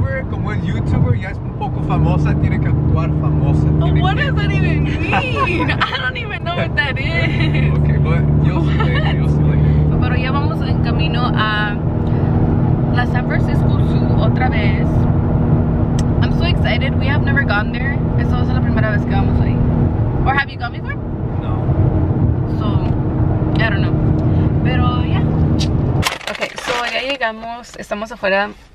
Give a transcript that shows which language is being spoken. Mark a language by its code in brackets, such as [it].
[es] Como es youtuber, ya es un poco famosa, tiene que actuar famosa. [en] Does that even mean? I don't even know what that is. [es] Ok, bueno, yo sé. Pero ya vamos en camino a la San Francisco Zoo otra vez. [en] Excited, we have never gone there. [es] Esta es la primera vez que vamos ahí. [en] Or have you gone before? No. I don't know. Pero, yeah. Okay, [es] ya llegamos. Estamos afuera